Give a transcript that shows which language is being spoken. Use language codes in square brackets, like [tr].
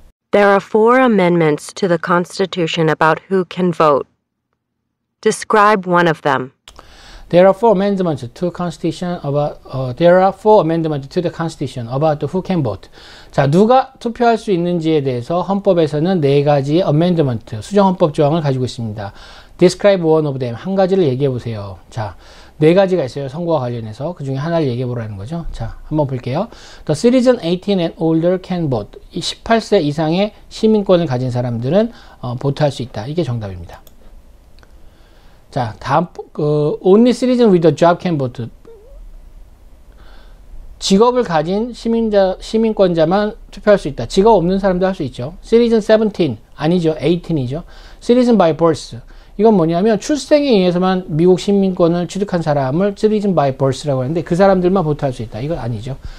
[en] There are four amendments to the Constitution about who can vote. Describe one of them. There are four amendments to the Constitution about there are four amendments to the Constitution about who can vote. [ko] 자, 누가 투표할 수 있는지에 대해서 헌법에서는 네 가지 amendment, 수정 헌법 조항을 가지고 있습니다. [en] Describe one of them. [ko] 한 가지를 얘기해 보세요. 자, 네 가지가 있어요. 선거와 관련해서. 그 중에 하나를 얘기해 보라는 거죠. 자, 한번 볼게요. [en] The citizen 18 and older can vote. [ko] 18세 이상의 시민권을 가진 사람들은 보트할 수 있다. 이게 정답입니다. 자, 다음, [en] only citizen with a job can vote. [ko] 직업을 가진 시민권자만 투표할 수 있다. 직업 없는 사람도 할 수 있죠. [en] Citizen 17. [ko] 아니죠. 18이죠. [en] Citizen by birth. [ko] 이건 뭐냐면 출생에 의해서만 미국 시민권을 취득한 사람을 [en] citizen by birth [ko] 라고 하는데 그 사람들만 보트할 수 있다. 이건 아니죠.